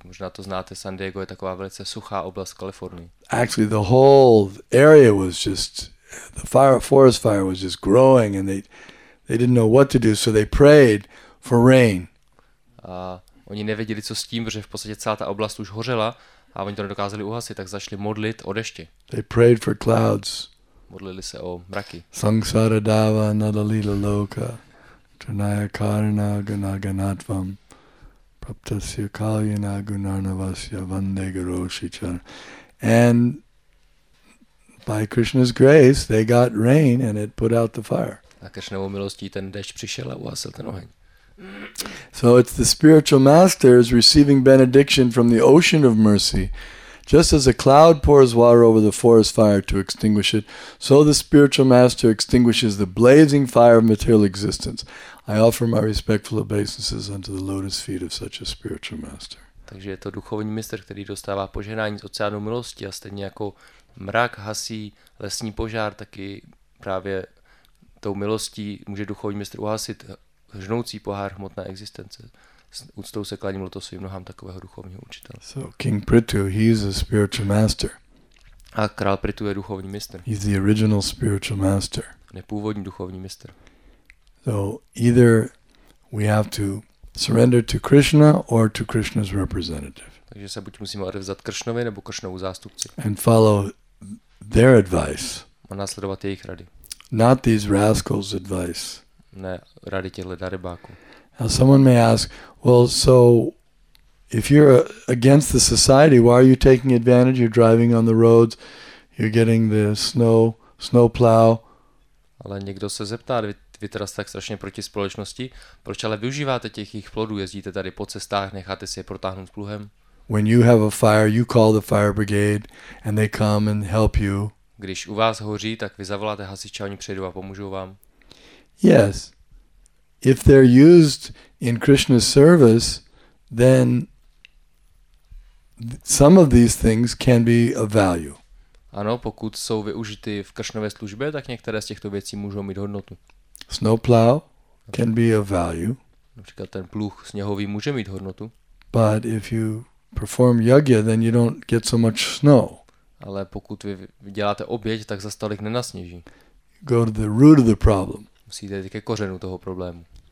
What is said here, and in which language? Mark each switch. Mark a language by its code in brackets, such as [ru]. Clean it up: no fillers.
[cs] Možná to znáte, San Diego je taková velice suchá oblast Kalifornie. [en] Actually, the whole area was just the forest fire was just growing, and they didn't know what to do, so they prayed for rain. [cs] A oni nevěděli, co s tím, protože v podstatě celá ta oblast už hořela a oni to nedokázali uhasit, tak začali modlit o deště. [en] They prayed for clouds. [cs] Modlili se o mraky. [sa] Sangsara dava nadalila loka trinaya karana gunaganatvam praptasya kalyana gunarnavasya vande garoshichar. [en] And by Krishna's grace, they got rain and it put out the fire. [cs] A Krishnovou milostí ten déšť přišel a uhasil ten oheň. [en] So it's the spiritual master is receiving benediction from the ocean of mercy. Just as a cloud pours water over the forest fire to extinguish it, so the spiritual master extinguishes the blazing fire of material existence. I offer my respectful obeisances unto the lotus feet of such a spiritual master. [cs] Takže je to duchovní mistr, který dostává požehnání z oceánu milosti a stejně jako mrak hasí lesní požár, taky právě tou milostí může duchovní mistr uhasit žnoucí pohár hmotné existence. S úctou se kláním lotosovým nohám takového duchovního učitele. [en] So King Prithu, he is a spiritual master. [cs] A král Prithu je duchovní mistr. [en] He's the original spiritual master. [cs] Nepůvodní duchovní mistr. [en] So either we have to surrender to Krishna or to Krishna's representative. [cs] Takže se buď musíme odevzdat Kršnovi nebo Kršnovu zástupci. [en] And follow their advice. [cs] A následovat jejich rady. [en] Not these rascals' advice. [cs] Ne, rady těchto darebáků. [en] Now someone may ask, well, so if you're against the society, why are you taking advantage? You're driving on the roads, you're getting the snow plow. [cs] Ale někdo se zeptá, vy teda jste tak strašně proti společnosti, proč ale využíváte těch jejich plodů, jezdíte tady po cestách, necháte si je protáhnout pluhem? [en] When you have a fire, you call the fire brigade and they come and help you. [cs] Když u vás hoří, tak vy zavoláte hasiče a oni přijdou a pomůžou vám. [en] Yes. If they're used in Krishna's service, then some of these things can be of value. [cs] Ano, pokud jsou využity v Kršnově službě, tak některé z těchto věcí můžou mít hodnotu. [en] Snowplow can be of value. [cs] Například ten pluh sněhový může mít hodnotu. [en] But if you perform yagya, then you don't get so much snow. [cs] Ale pokud vy děláte oběť, tak zas tolik nenasněží. [en] Go to the root of the problem. [cs] Musíte jít ke kořenu toho problému.